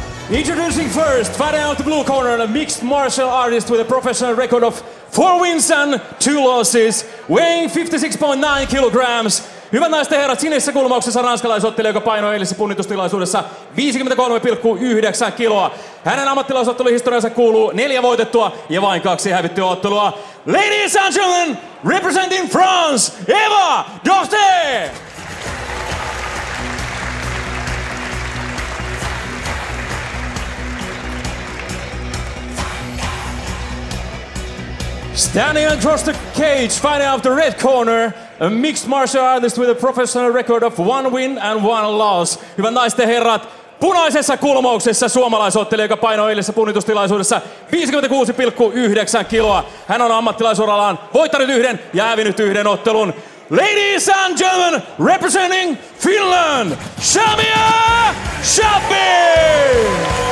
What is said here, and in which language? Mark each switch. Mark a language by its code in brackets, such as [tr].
[en] Introducing first, fighting out the blue corner, a mixed martial artist with a professional record of 4 wins and 2 losses, weighing 56.9 kilograms. [fi] Hyvät naiset ja herrat, sinisessä kulmauksessa ranskalaisottelija, joka painoi eilisessä punnitustilaisuudessa 53,9 kiloa. Hänen ammattilaisotteluhistoriansa kuuluu 4 voitettua ja vain 2 hävittyä ottelua. [en] Ladies and gentlemen, representing France, Eva Dorte! Standing across the cage, fighting out the red corner, a mixed martial artist with a professional record of 1 win and 1 loss. [fi] Hyvät naiset ja herrat, punaisessa kulmauksessa suomalaisottelija, joka painoi eilisessä punnitustilaisuudessa 56,9 kiloa. Hän on ammattilaisurallaan voittanut 1 ja hävinnyt 1 ottelun. [en] Ladies and gentlemen, representing Finland, Jamia Chappi!